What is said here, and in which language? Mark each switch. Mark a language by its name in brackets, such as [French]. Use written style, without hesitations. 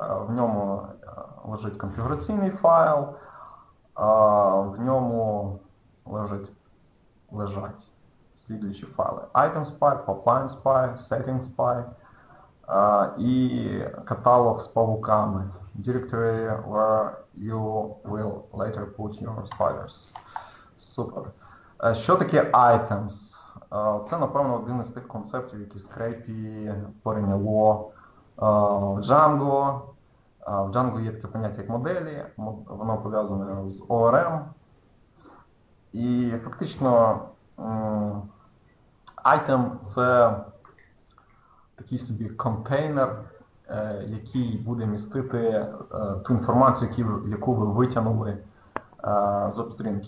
[Ukrainian] В ньому лежить конфігураційний файл, в ньому лежать слідуючі файли. ItemSpy, PipelineSpy, SettingSpy і каталог з павуками. [English] Directory, where you will later put your spiders. [Ukrainian] Супер. Що таке items? Це, напевно, один із тих концептів, які Scrapy перейняло В Django є таке поняття як моделі, воно пов'язане з ORM. І фактично item це такий собі контейнер, який буде містити ту інформацію, яку ви витягнули з обстрінки.